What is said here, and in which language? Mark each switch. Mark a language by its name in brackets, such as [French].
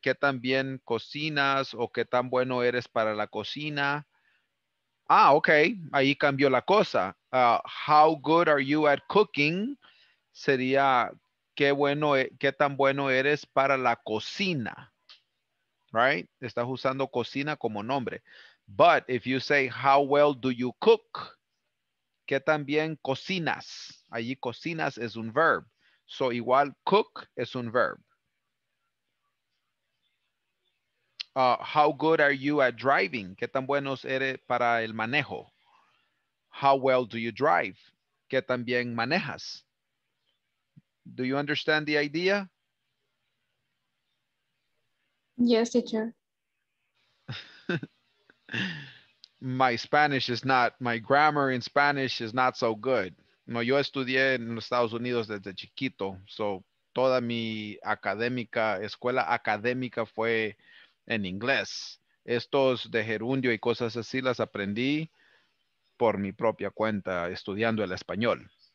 [Spanish] ¿Qué tan bien cocinas o qué tan bueno eres para la cocina? [English] Ah, okay, [Spanish] ahí cambió la cosa. [English] How good are you at cooking? [Spanish] Sería qué tan bueno eres para la cocina. Right? Estás usando cocina como nombre. [English] But if you say, how well do you cook? [Spanish] ¿Qué tan bien cocinas? Allí cocinas es un verb. So igual cook es un verb. [English] How good are you at driving? [Spanish] ¿Qué tan buenos eres para el manejo? [English] How well do you drive? [Spanish] ¿Qué tan bien manejas? [English] Do you understand the idea? Yes, teacher. My Spanish is not, my grammar in Spanish is not so good. [Spanish] No, yo estudié en los Estados Unidos desde chiquito. So, toda mi escuela académica fue en inglés. Estos de gerundio y cosas así las aprendí por mi propia cuenta, estudiando el español.